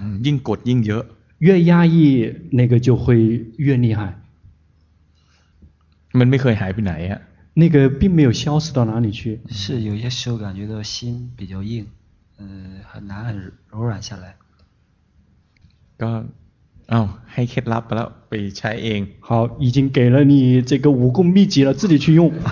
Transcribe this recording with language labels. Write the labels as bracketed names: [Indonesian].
[Thai] ยิ่งกดยิ่งเยอะ [Chinese] 越压抑那个就会越厉害 [Thai] มันไม่เคยหายไปไหนอ่ะ [Chinese] 那个并没有消失到哪里去是有些时候感觉到心比较硬很难很柔软下来 [Thai] ก็ให้เคล็ดลับไปแล้วไปใช้เอง [Chinese] 好已经给了你这个武功秘籍了自己去用